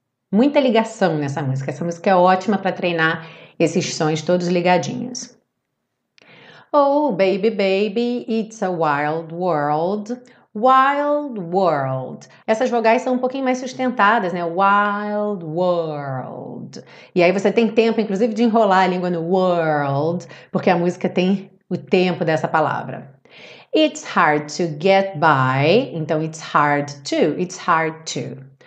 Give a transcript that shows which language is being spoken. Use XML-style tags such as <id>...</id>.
<pt>Muita ligação nessa música, essa música é ótima para treinar esses sons todos ligadinhos.</pt> <en>Oh baby, baby, it's a wild world. Wild world.</en> <pt>Essas vogais são um pouquinho mais sustentadas, né?</pt> <en>Wild world.</en> <pt>E aí você tem tempo, inclusive, de enrolar a língua no world, porque a música tem o tempo dessa palavra.</pt> <en>It's hard to get by.</en> <pt>Então,</pt> <en>it's hard to. It's hard to.</en>